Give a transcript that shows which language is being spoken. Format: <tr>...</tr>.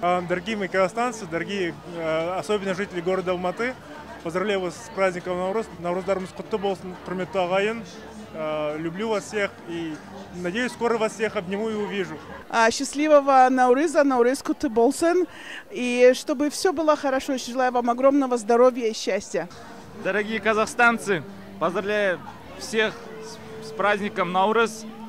<ru>Дорогие мои казахстанцы, дорогие особенно жители города Алматы, поздравляю вас с праздником Наурыз.</ru> <kk>Наурыздарыңыз құтты болсын, құрметті ағайын.</kk> <ru>Люблю вас всех и надеюсь, скоро вас всех обниму и увижу. Счастливого Наурыза,</ru> <kk>Наурыз куты болсын.</kk> <ru>И чтобы все было хорошо, желаю вам огромного здоровья и счастья. Дорогие казахстанцы, поздравляю всех с праздником Наурыз.</ru>